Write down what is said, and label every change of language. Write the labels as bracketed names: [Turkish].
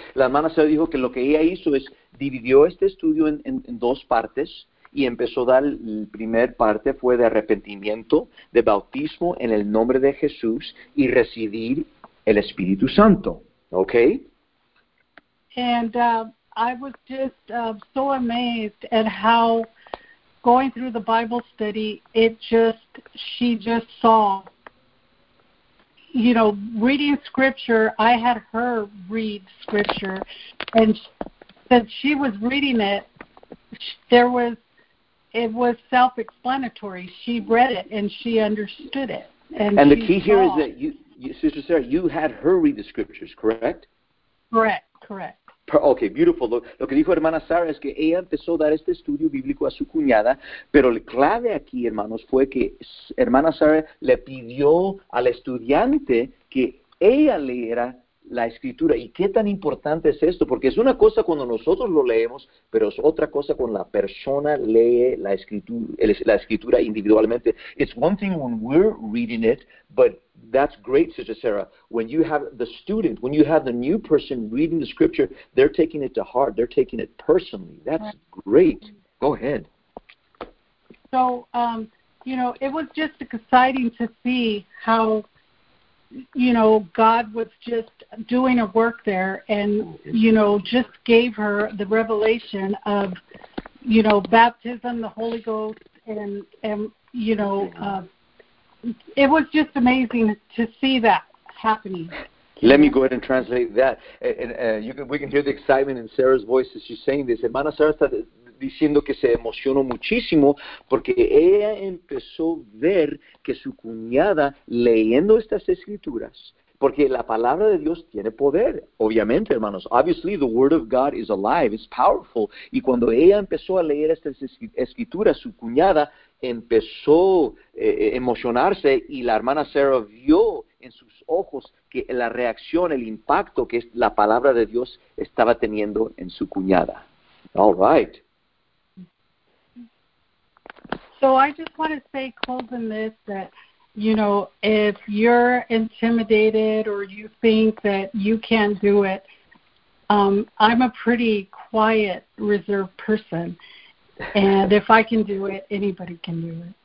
[Spanish] La hermana se dijo que lo que ella hizo es dividió este estudio en dos partes y empezó a dar la primera parte fue de arrepentimiento, de bautismo en el nombre de Jesús y recibir el Espíritu Santo. [English] Okay. And I was just so amazed at how going through the Bible study, she just saw, you know, reading scripture. I had her read scripture, and since she was reading it, it was self-explanatory. She read it and she understood it. And the key here is that you, Sister Sarah, you had her read the scriptures, correct? Correct. Okay, beautiful. [Spanish] Lo que dijo hermana Sara es que ella empezó a dar este estudio bíblico a su cuñada, pero la clave aquí, hermanos, fue que hermana Sara le pidió al estudiante que ella leyera la escritura. ¿Y qué tan importante es esto? Porque es una cosa cuando nosotros lo leemos, pero es otra cosa cuando la persona lee la escritura individualmente. [English] It's one thing when we're reading it, but that's great, Sister Sarah. When you have the student, when you have the new person reading the scripture, they're taking it to heart. They're taking it personally. That's great. Go ahead. So, you know, it was just exciting to see how, you know, God was just doing a work there and, you know, just gave her the revelation of, you know, baptism, the Holy Ghost, and you know, it was just amazing to see that happening. Let me go ahead and translate that. We can hear the excitement in Sarah's voice as she's saying this. [Spanish] Hermana Sarah está diciendo que se emocionó muchísimo porque ella empezó a ver que su cuñada, leyendo estas escrituras, porque la palabra de Dios tiene poder, obviamente, hermanos. [English] Obviously, the word of God is alive, it's powerful. [Spanish] Y cuando ella empezó a leer estas escrituras, su cuñada empezó a emocionarse y la hermana Sarah vio en sus ojos que la reacción, el impacto que la palabra de Dios estaba teniendo en su cuñada. [English] All right. So I just want to say, closing this, that, you know, if you're intimidated or you think that you can't do it, I'm a pretty quiet, reserved person. And if I can do it, anybody can do it.